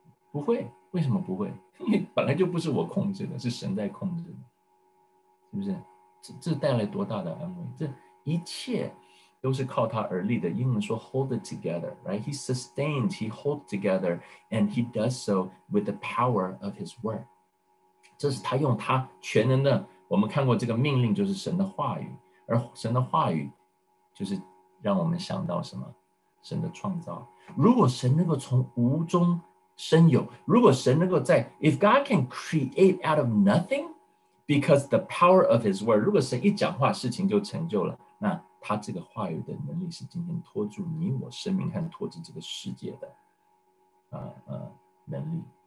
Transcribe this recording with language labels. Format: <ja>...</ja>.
<zh>不会，为什么不会？因为本来就不是我控制的，是神在控制的，是不是？这带来多大的安慰，这一切都是靠他而立的。英文说</zh> <en>hold it together,</en> <zh>right?</zh> <en>He sustains, he holds together, and he does so with the power of his word.</en> <zh>这是他用他全能的，我们看过这个命令就是神的话语，而神的话语就是让我们想到什么？神的创造。如果神能够从无中生有，如果神能够在</zh> <en>if God can create out of nothing because the power of his word,</en> <zh>如果神一讲话事情就成就了，那他这个话语的能力是今天托住你我生命和托住这个世界的能力。</zh>